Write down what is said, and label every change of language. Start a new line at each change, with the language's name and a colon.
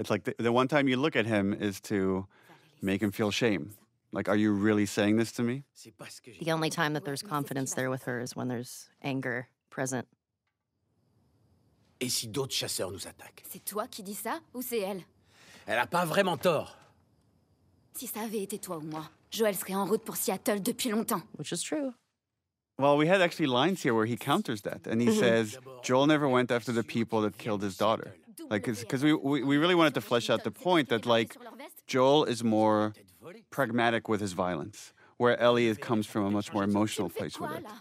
English: It's like the one time you look at him is to make him feel shame. Like, are you really saying this to me? The only time that there's confidence there with her is when there's anger present.
French: Et si d'autres chasseurs nous attaquent? C'est toi qui dis ça ou c'est elle? Elle a pas vraiment tort. Si ça avait été toi ou moi, Joël serait en route pour Seattle depuis longtemps.
English: Which is true. Well, we had actually lines here where he counters that, and he says, Joel never went after the people that killed his daughter. Like, because we really wanted to flesh out the point that, like, Joel is more pragmatic with his violence, where Ellie comes from a much more emotional place with it.